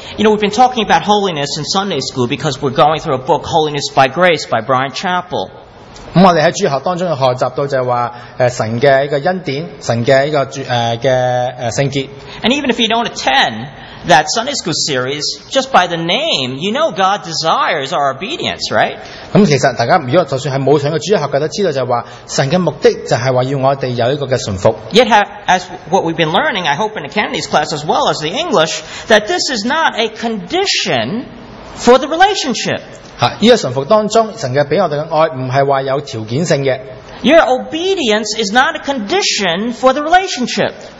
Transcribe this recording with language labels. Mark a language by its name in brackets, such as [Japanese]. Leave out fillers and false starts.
[English] You know, we've been talking about holiness in Sunday school because we're going through a book, Holiness by Grace, by Brian Chapel. [Cantonese] 咁我哋喺主学当中学习到就系话，神嘅一个恩典，神嘅一个圣洁。 [English] And even if you don't attend that Sunday school series, just by the name, you know God desires our obedience, right? [Cantonese] 咁其实大家如果就算系冇上过主日学嘅都知道就系话，神嘅目的就系话要我哋有一个嘅顺服。 [English] Yet, as what we've been learning, I hope in the Kennedy's class as well as the English, that this is not a condition for the relationship. [Cantonese] 呢个顺服当中，神嘅俾我哋嘅爱唔系话有条件性嘅。 [English] Your obedience is not a condition for the relationship.